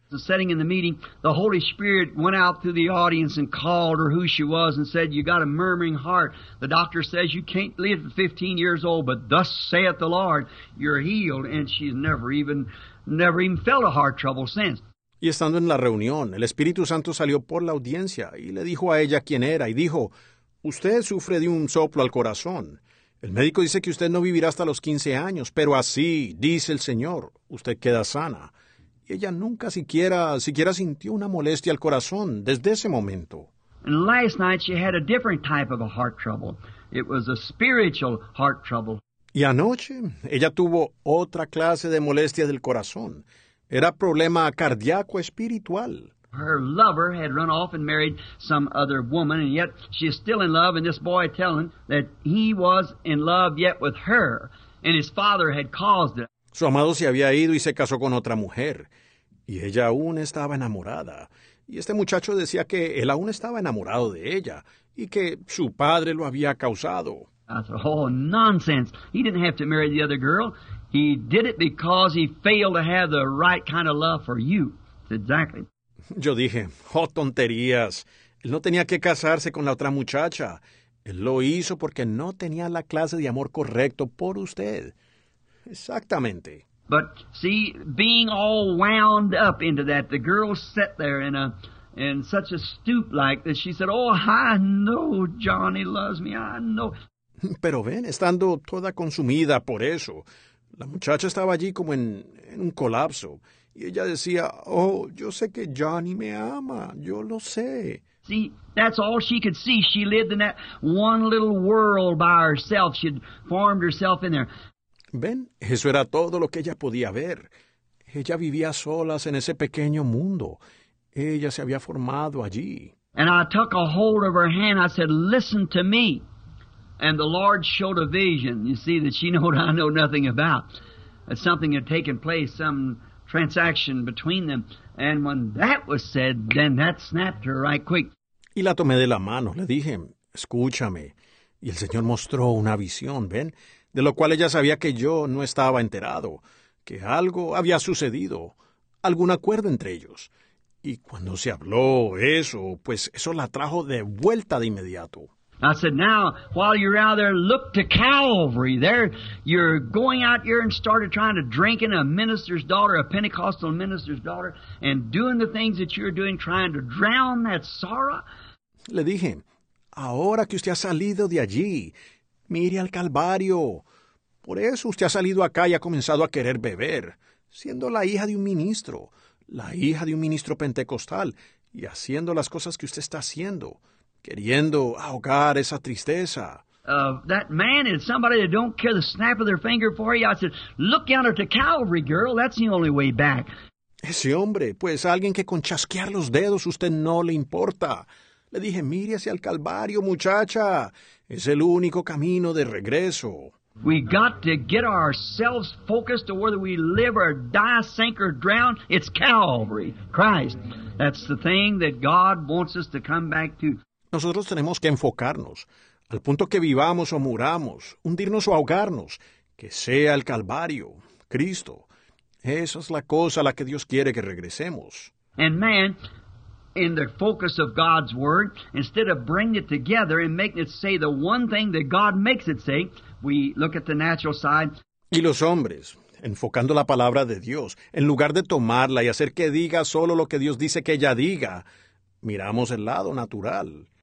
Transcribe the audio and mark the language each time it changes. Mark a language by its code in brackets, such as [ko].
[en] Sitting in the meeting, the Holy Spirit went out through the audience and called her who she was and said, you got a murmuring heart. The doctor says you can't live 15 years old, but thus saith the Lord, you're healed. And she's never even felt a heart trouble since. [es] Y estando en la reunión, el Espíritu Santo salió por la audiencia y le dijo a ella quién era y dijo, usted sufre de un soplo al corazón. El médico dice que usted no vivirá hasta los 15 años, pero así, dice el Señor, usted queda sana. Y ella nunca siquiera sintió una molestia al corazón desde ese momento. [en] And last night she had a different type of a heart trouble. It was a spiritual heart trouble. [es] Y anoche ella tuvo otra clase de molestia del corazón. Era problema cardíaco espiritual. [en] Her lover had run off and married some other woman, and yet she is still in love, and this boy telling that he was in love yet with her, and his father had caused it. [es] Su amado se había ido y se casó con otra mujer, y ella aún estaba enamorada. Y este muchacho decía que él aún estaba enamorado de ella, y que su padre lo había causado. [en] I said, oh, nonsense. He didn't have to marry the other girl. He did it because he failed to have the right kind of love for you. Exactly. [es] Yo dije, oh, tonterías. Él no tenía que casarse con la otra muchacha. Él lo hizo porque no tenía la clase de amor correcto por usted. Exactamente. [en] But see, being all wound up into that, the girl sat there in such a stoop like that she said, oh, I know Johnny loves me, I know. [es] Pero ven, estando toda consumida por eso, la muchacha estaba allí como en un colapso. Y ella decía, oh, yo sé que Johnny me ama, yo lo sé. [en] See, that's all she could see. She lived in that one little world by herself. She'd formed herself in there. [es] Ven, eso era todo lo que ella podía ver. Ella vivía solas en ese pequeño mundo. Ella se había formado allí. [en] And I took a hold of her hand. I said, listen to me. And the Lord showed a vision, you see, that she knew I know nothing about. That something had taken place, some transaction between them. And when that was said, then that snapped her right quick. [es] Y la tomé de la mano. Le dije, escúchame. Y el Señor mostró una visión, ven, de lo cual ella sabía que yo no estaba enterado, que algo había sucedido, algún acuerdo entre ellos. Y cuando se habló eso, pues eso la trajo de vuelta de inmediato. [en] I said, now, while you're out there, look to Calvary. There, you're going out here and started trying to drink in a minister's daughter, a Pentecostal minister's daughter, and doing the things that you're doing, trying to drown that sorrow. [es] Le dije, ahora que usted ha salido de allí, mire al Calvario. Por eso usted ha salido acá y ha comenzado a querer beber, siendo la hija de un ministro pentecostal, y haciendo las cosas que usted está haciendo, queriendo ahogar esa tristeza. [en] That man is somebody that don't care the snap of their finger for you. I said, look out at the Calvary, girl. That's the only way back. [es] Ese hombre, pues alguien que con chasquear los dedos usted no le importa. Le dije, mire hacia el Calvario, muchacha. Es el único camino de regreso. [en] We got to get ourselves focused to whether we live or die, sink or drown. It's Calvary, Christ. That's the thing that God wants us to come back to. [es] Nosotros tenemos que enfocarnos, al punto que vivamos o muramos, hundirnos o ahogarnos, que sea el Calvario, Cristo. Esa es la cosa a la que Dios quiere que regresemos. [en] And man, in the focus of God's Word, instead of bringing it together and making it say the one thing that God makes it say, we look at the natural side. [es] Y los hombres, enfocando la palabra de Dios, en lugar de tomarla y hacer que diga solo lo que Dios dice que ella diga, miramos el lado natural.